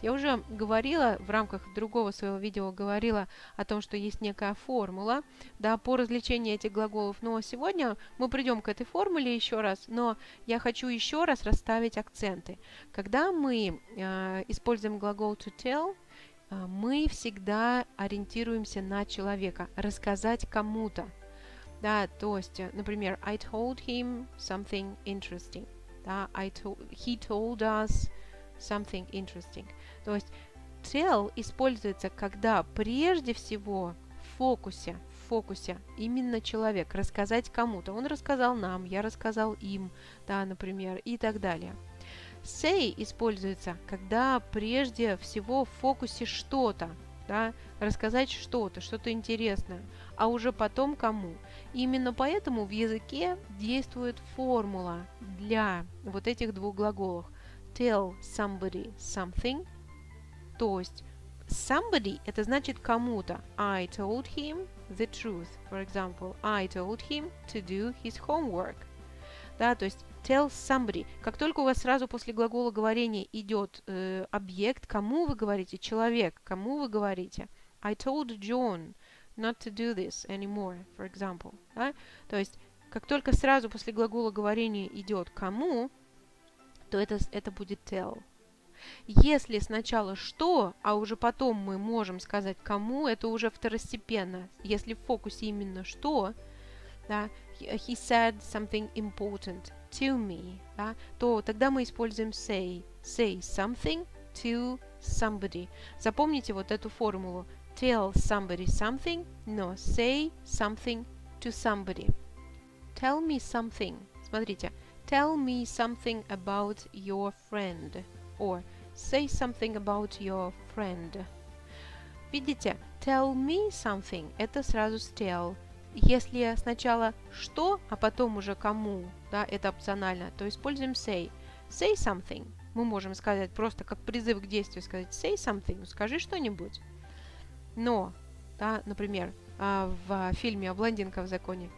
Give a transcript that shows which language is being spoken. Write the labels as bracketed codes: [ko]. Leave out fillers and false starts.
[ru] Я уже говорила в рамках другого своего видео, говорила о том, что есть некая формула, да, по развлечению этих глаголов. Но сегодня мы придем к этой формуле еще раз, но я хочу еще раз расставить акценты. Когда мы используем глагол «to tell», мы всегда ориентируемся на человека, рассказать кому-то. Да, то есть, например, [en] I told him something interesting. [ru] Да, [en] he told us something interesting. [ru] То есть, tell используется, когда прежде всего в фокусе именно человек. Рассказать кому-то. Он рассказал нам, я рассказал им, да, например, и так далее. Say используется, когда прежде всего в фокусе что-то, да, рассказать что-то интересное, а уже потом кому. Именно поэтому в языке действует формула для вот этих двух глаголов. [en] Tell somebody something, [ru] то есть somebody, это значит кому-то. [en] I told him the truth, for example, I told him to do his homework. [ru] Да, то есть [en] tell somebody. [ru] Как только у вас сразу после глагола говорения идет объект, кому вы говорите, человек, кому вы говорите. [en] I told John not to do this anymore, for example. [ru] Да? То есть, как только сразу после глагола говорения идет кому, то это будет tell. Если сначала что, а уже потом мы можем сказать кому, это уже второстепенно. Если в фокусе именно что, да, [en] he said something important to me, [ru] да, то тогда мы используем say. [en] Say something to somebody. [ru] Запомните вот эту формулу. [en] Tell somebody something, no, say something to somebody. Tell me something. [ru] Смотрите. [en] Tell me something about your friend. Or say something about your friend. [ru] Видите? [en] Tell me something. [ru] Это сразу с tell. Если сначала что, а потом уже кому, да, это опционально, то используем say. [en] Say something. [ru] Мы можем сказать просто как призыв к действию, сказать [en] say something, [ru] скажи что-нибудь. Но, да, например, в фильме о блондинке в законе.